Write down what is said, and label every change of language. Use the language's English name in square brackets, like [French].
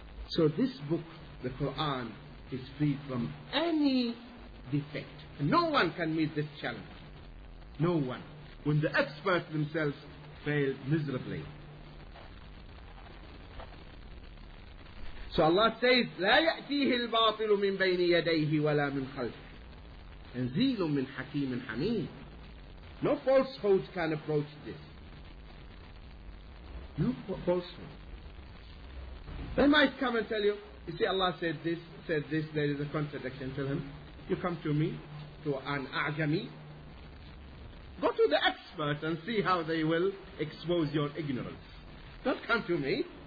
[English] So this book, the Quran, is free from any defect. No one can meet this challenge. No one. When the experts themselves failed miserably. So Allah says, [Arabic] لَا يَأْتِيهِ الْبَاطِلُ مِنْ بَيْنِ يَدَيْهِ وَلَا مِنْ خَلْفِهِ تَنْزِيلٌ مِنْ حَكِيمٍ حَمِيمٍ. [English] No falsehood can approach this. No falsehood. They might come and tell you, you see, Allah said this, there is a contradiction. Tell him, you come to me, to an A'jami, go to the experts and see how they will expose your ignorance. Don't come to me.